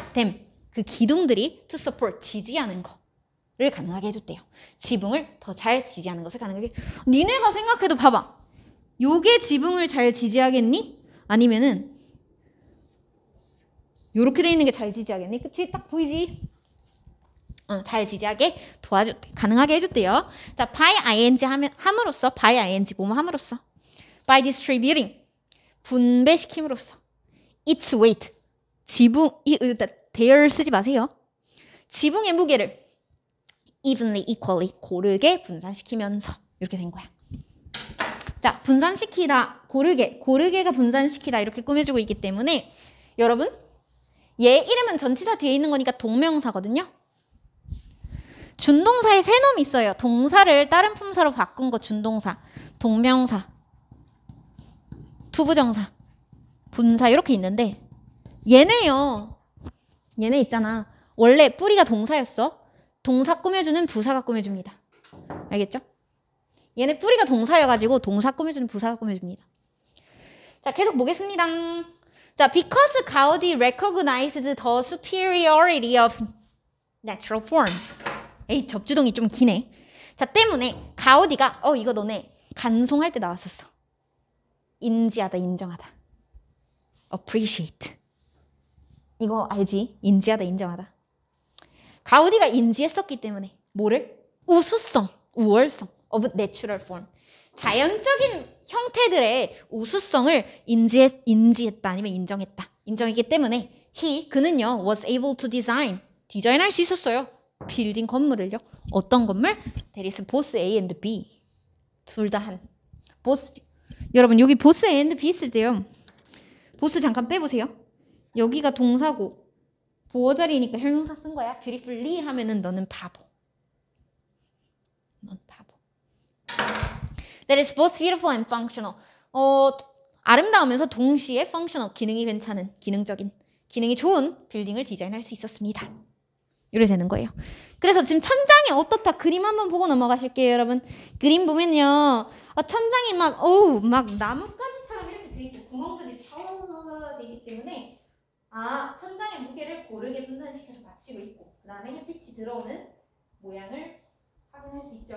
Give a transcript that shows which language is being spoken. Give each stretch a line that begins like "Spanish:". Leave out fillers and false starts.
English: them
Korean: 그 기둥들이
English: to support
Korean: 지지하는 거를 가능하게 해줬대요. 지붕을 더 잘 지지하는 것을 가능하게. 니네가 생각해도 봐봐. 요게 지붕을 잘 지지하겠니? 아니면은 요렇게 돼 있는 게 잘 지지하겠니? 그치? 딱 보이지? 잘 지지하게 도와줬대. 가능하게 해줬대요. 자, by ing 함으로써, by ing 뭐뭐 함으로써,
English: by distributing
Korean: 분배시킴으로써,
English: its weight
Korean: 지붕, there 쓰지 마세요. 지붕의 무게를
English: evenly, equally
Korean: 고르게 분산시키면서 이렇게 된 거야. 자, 분산시키다, 고르게가 분산시키다 이렇게 꾸며주고 있기 때문에 여러분 얘 이름은 전치사 뒤에 있는 거니까 동명사거든요. 준동사에 새놈 있어요. 동사를 다른 품사로 바꾼 거 준동사, 동명사, 투부정사, 분사 이렇게 있는데 얘네요. 얘네 있잖아. 원래 뿌리가 동사였어. 동사 꾸며주는 부사가 꾸며줍니다. 알겠죠? 얘네 뿌리가 동사여가지고 동사 꾸며주는 부사가 꾸며줍니다. 자, 계속 보겠습니다.
English: 자, because Gaudi recognized the superiority of natural forms.
Korean: 에이, 접주동이 좀 기네. 자, 때문에 가우디가 이거 너네 간송할 때 나왔었어. 인지하다, 인정하다. appreciate. 이거 알지? 인지하다, 인정하다. 가우디가 인지했었기 때문에 뭐를? 우수성, 우월성
English: of natural form.
Korean: 자연적인 형태들의 우수성을 인지했다 아니면 인정했다. 인정했기 때문에 그는요
English: was able to design.
Korean: 디자인할 수 있었어요. 빌딩 건물을요. 어떤 건물?
English: There is both A and B.
Korean: 둘 다 한. 보스. 여러분 여기 보스 A and B 있을 때요. 보스 잠깐 빼보세요. 여기가 동사고 보어 자리니까 형용사 쓴 거야. Beautifully 하면은 너는 바보. 넌 바보.
English: That is both beautiful and functional.
Korean: 아름다우면서 동시에 functional, 기능이 괜찮은, 기능적인, 기능이 좋은 빌딩을 디자인할 수 있었습니다. 이래 되는 거예요. 그래서 지금 천장이 어떻다 그림 한번 보고 넘어가실게요, 여러분. 그림 보면요, 천장이 막 막 나뭇가지처럼 이렇게 돼 있고 구멍들이 되기 때문에 천장의 무게를 고르게 분산시켜서 받치고 있고 그다음에 햇빛이 들어오는 모양을 확인할 수 있죠.